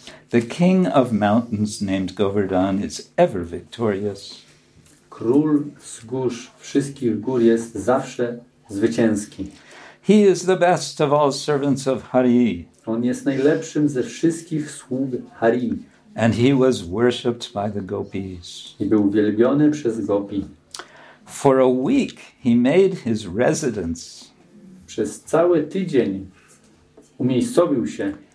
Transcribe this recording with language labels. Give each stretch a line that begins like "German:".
English: The king of mountains named Govardhan is ever victorious.
Polish: Król wzgórz wszystkich gór jest zawsze zwycięski.
English: He is the best of all servants of Hari.
Polish: On jest najlepszym ze wszystkich sług Hari.
English: And he was worshipped by the gopis.
Polish: I był uwielbiony przez gopi.
English: For a week he made his residence.
Polish: Przez cały tydzień umiejscowił się.